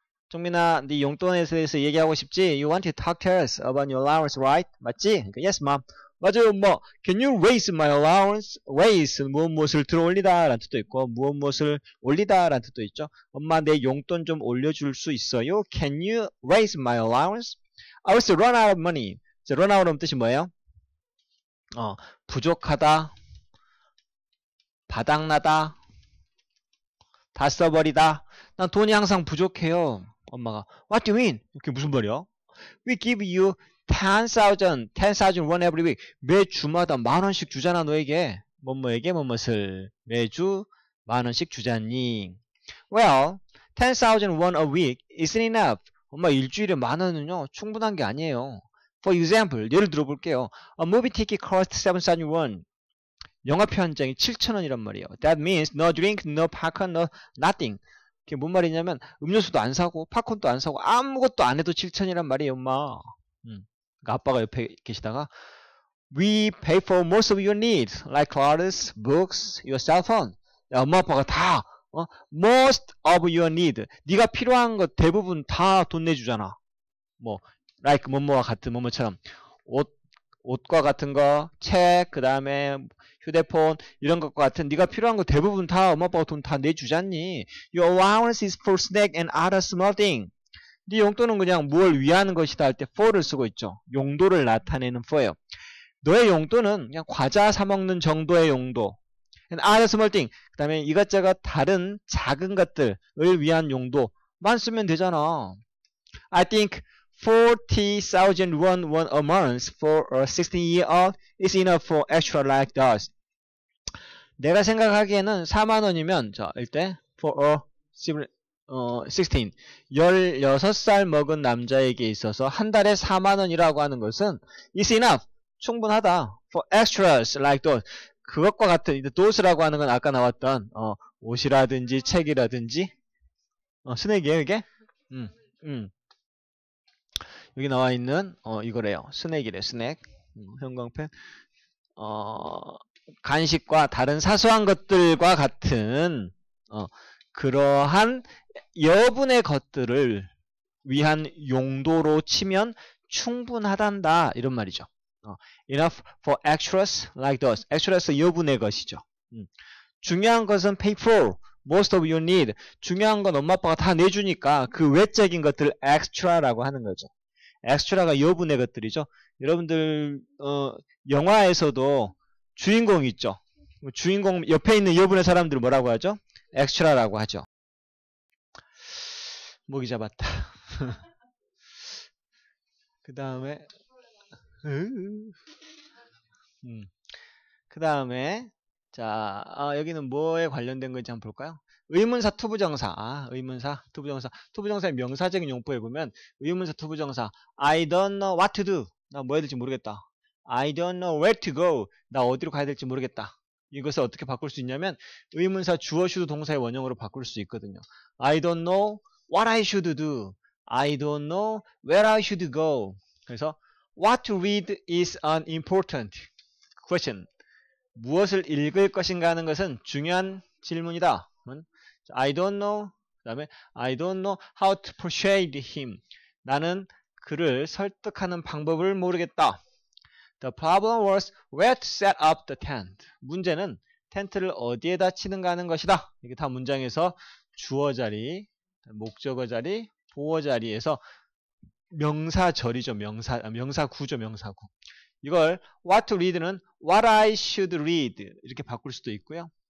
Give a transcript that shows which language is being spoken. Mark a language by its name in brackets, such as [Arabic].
[Korean] 정민아, 네 용돈에 대해서 얘기하고 싶지? [English] You want to talk to us about your allowance, right? [Korean] 맞지? [English] Yes, mom. [Korean] 맞아요, 뭐. [English] Can you raise my allowance? [Korean] Raise, 무엇무엇을 들어올리다 라는 뜻도 있고, 무엇무엇을 올리다 라는 뜻도 있죠. 엄마, 내 용돈 좀 올려줄 수 있어요? [English] Can you raise my allowance? I was run out of money. [Korean] 자, run out은 뜻이 뭐예요? 부족하다, 바닥나다, 다 써버리다. 난 돈이 항상 부족해요. 엄마가 [English] What do you mean? [Korean] 이게 무슨 말이야? [English] We give you 10,000 won every week. [Korean] 매 주마다 만 원씩 주잖아 너에게. 뭐뭐에게 뭐뭐을 매주 만 원씩 주잖니. [English] Well, 10,000 won a week isn't enough. [Korean] 엄마 일주일에 만 원은요 충분한 게 아니에요. [English] For example, [Korean] 예를 들어볼게요. [English] A movie ticket cost 7,000 won. [Korean] 영화표 한 장이 7,000원이란 말이에요. [English] That means no drink, no popcorn, no nothing. [Korean] 그게 뭔 말이냐면 음료수도 안 사고 팝콘도 안 사고 아무것도 안 해도 7,000이란 말이에요, 엄마. 그러니까 아빠가 옆에 계시다가 [English] We pay for most of your needs, like clothes, books, your cell phone. [Korean] 야, 엄마 아빠가 다 [English] Most of your need. [Korean] 네가 필요한 것 대부분 다 돈 내주잖아. 뭐, like, 뭐뭐와 같은 뭐뭐처럼. 옷과 같은 거, 책, 그 다음에 휴대폰, 이런 것과 같은 네가 필요한 거 대부분 다 엄마 아빠가 돈 다 내주잖니. [English] Your allowance is for snack and other small thing. [Korean] 네 용돈은 그냥 뭘 위하는 것이다 할 때 for를 쓰고 있죠. 용도를 나타내는 for예요. 너의 용돈은 그냥 과자 사 먹는 정도의 용도. [English] And other small thing. [Korean] 그 다음에 이것저것 다른 작은 것들을 위한 용도만 쓰면 되잖아. [English] I think 40,000 won a month for a 16-year-old is enough for extra like this. [Korean] 내가 생각하기에는 4만원이면, 자, 이때, [English] for a 16. [Korean] 16살 먹은 남자에게 있어서 한 달에 4만원이라고 하는 것은 [English] is enough. [Korean] 충분하다. [English] For extras like those. [Korean] 그것과 같은, 이제 those라고 하는 건 아까 나왔던, 옷이라든지 책이라든지, 스낵이에요, 이게? 여기 나와 있는 이거래요. 스낵이래. 스낵. 형광펜. 간식과 다른 사소한 것들과 같은 그러한 여분의 것들을 위한 용도로 치면 충분하단다. 이런 말이죠. [English] Enough for extras like those. [Korean] Extras 여분의 것이죠. 중요한 것은 [English] pay for most of your need. [Korean] 중요한 건 엄마 아빠가 다 내주니까 그 외적인 것들 extra라고 하는 거죠. 엑스트라가 여분의 것들이죠. 여러분들 영화에서도 주인공 있죠. 주인공 옆에 있는 여분의 사람들 뭐라고 하죠? 엑스트라라고 하죠. 목이 잡았다. 그 다음에 그 다음에 자 여기는 뭐에 관련된 건지 한번 볼까요? 의문사 투부정사. 아, 의문사 투부정사. 투부정사의 명사적인 용법에 보면 의문사 투부정사. [English] I don't know what to do. [Korean] 나 뭐 해야 될지 모르겠다. [English] I don't know where to go. [Korean] 나 어디로 가야 될지 모르겠다. 이것을 어떻게 바꿀 수 있냐면 의문사 주어 should 동사의 원형으로 바꿀 수 있거든요. [English] I don't know what I should do. I don't know where I should go. [Korean] 그래서 [English] what to read is an important question. [Korean] 무엇을 읽을 것인가 하는 것은 중요한 질문이다. [English] I don't know. [Korean] 그 다음에 [English] I don't know how to persuade him. [Korean] 나는 그를 설득하는 방법을 모르겠다. [English] The problem was where to set up the tent. [Korean] 문제는 텐트를 어디에다 치는가 하는 것이다. 이게 다 문장에서 주어 자리, 목적어 자리, 보어 자리에서 명사절이죠. 명사구죠. 명사구. 이걸 what to read는 [English] what I should read [Korean] 이렇게 바꿀 수도 있고요.